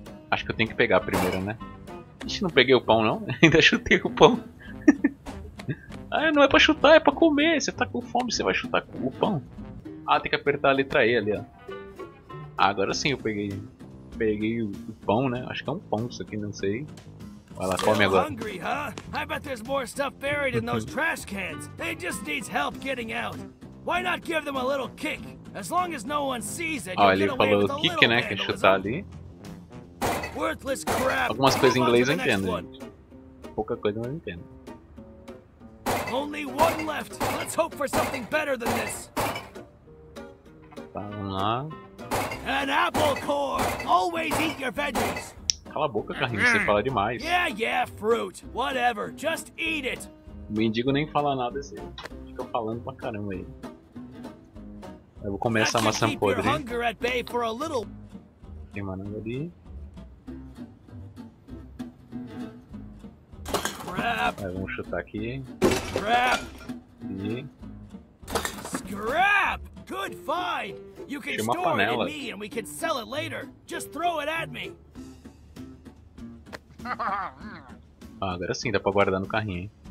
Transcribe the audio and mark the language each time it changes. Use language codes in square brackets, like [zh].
[pt] Acho que eu tenho que pegar primeiro, né? Ixi, não peguei o pão, não? Ainda chutei o pão. Ah, não é para chutar, é para comer. Você tá com fome, você vai chutar o pão? Ah, tem que apertar a letra E ali, ó. Ah, agora sim eu peguei. Peguei o pão, né? Acho que é um pão isso aqui, não sei. Vai lá, come agora. [en] Hungry, huh? I bet there's more stuff buried in those trash cans. They just need help getting out. Why not give them a little kick? As long as no one sees it. [pt] Ah, ele falou kick, né? Que é chutar ali. [en] Worthless crap. [pt] Algumas coisas em inglês eu entendo. Pouca coisa eu entendo. [en] Only one left. Let's hope for something better than this. [pt] Tá, vamos lá. [en] An apple core. Always eat your veggies. [pt] Cala a boca, carrinho, você fala demais. [en] Yeah, yeah, fruit. Whatever. Just eat it. [pt] O mendigo nem fala nada assim. Fica falando pra caramba aí. Eu vou comer essa maçã podre. Tem manga ali. [en] Crap. [pt] Aí, vamos chutar aqui. [en] Crap. E... Scrap! Good find! You can store panela. It in me and we can sell it later. Just throw it at me. [pt] Ah, agora sim, dá pra guardar no carrinho, hein?